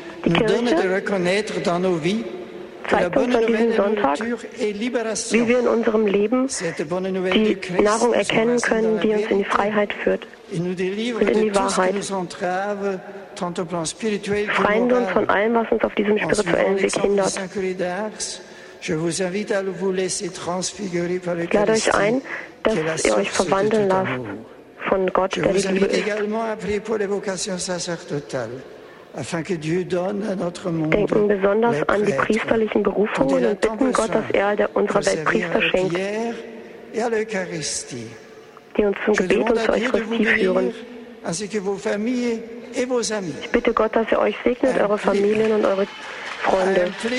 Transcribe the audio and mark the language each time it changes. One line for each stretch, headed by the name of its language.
German: Die Kirche zeigt uns an diesem Sonntag, wie wir in unserem Leben die Nahrung erkennen können, die uns in die Freiheit führt und in die Wahrheit. Befreien wir uns von allem, was uns auf diesem spirituellen Weg hindert.
French: Je vous invite à vous laisser transfigurer par le
German: Christ. Lade euch ein, dass ihr euch verwandeln lasst von Gott, der die Liebe ist.
French: Également à prier pour les vocations sacerdotales, afin que Dieu donne à notre monde.
German: Denken besonders an die priesterlichen Berufungen und bitten Gott, dass er unserer Welt Priester schenkt, die uns zum Gebet und zur Eucharistie führen.
French: Ainsi que vos familles et vos amis.
German: Ich bitte Gott, dass er euch segnet, eure Familien und eure Freunde.